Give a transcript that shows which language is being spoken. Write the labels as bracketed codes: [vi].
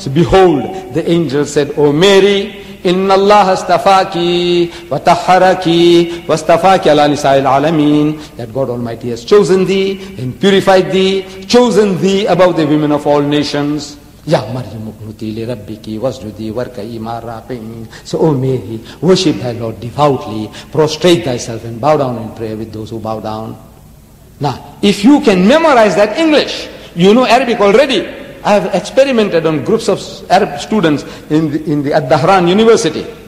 [en] So behold, the angel said, O Mary, [ar] إن الله استفاك وطهرك واستفاك على نساء العالمين. [en] That God Almighty has chosen thee and purified thee, chosen thee above the women of all nations. [ar] يا مريم اقنتي لربك واسجدي واركعي مع الراكعين. [en] So O Mary, worship thy Lord devoutly, prostrate thyself and bow down in prayer with those who bow down. Now, if you can memorize that English, you know Arabic already. I have experimented on groups of Arab students in the Ad-Dahran University.